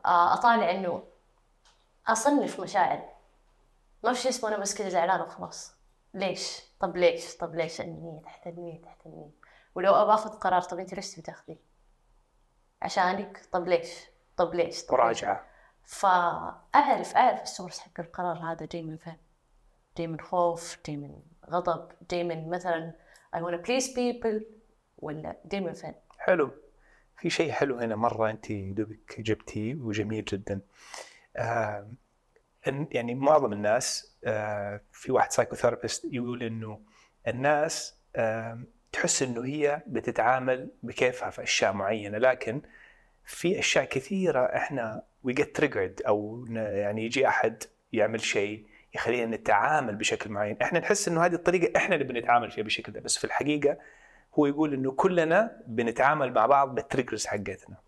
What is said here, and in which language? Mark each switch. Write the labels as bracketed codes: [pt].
[ar] اطالع انه اصنف مشاعر، ما في شيء اسمه انا بس كذا زعلان وخلاص، ليش اني تحت النية، ولو ابغى اخذ قرار طب انت ليش بتاخذيه عشانك، طب ليش مراجعة. فأعرف السورس حق القرار هذا جاي من فين، جاي من خوف، جاي من غضب، جاي من مثلاً [en] I want to please people [ar] ولا دايما فن. حلو، في شيء حلو هنا مرة أنت دوبك جبتيه وجميل جدا. يعني معظم الناس، في واحد سايكوثيرابيست يقول إنه الناس تحس إنه هي بتتعامل بكيفها في أشياء معينة، لكن في أشياء كثيرة إحنا [en] we get triggered، [ar] أو يعني يجي أحد يعمل شيء يخلينا نتعامل بشكل معين، إحنا نحس إنه هذه الطريقة إحنا اللي بنتعامل فيها بشكل ده، بس في الحقيقة هو يقول إنه كلنا بنتعامل مع بعض بالتريجرز حقتنا.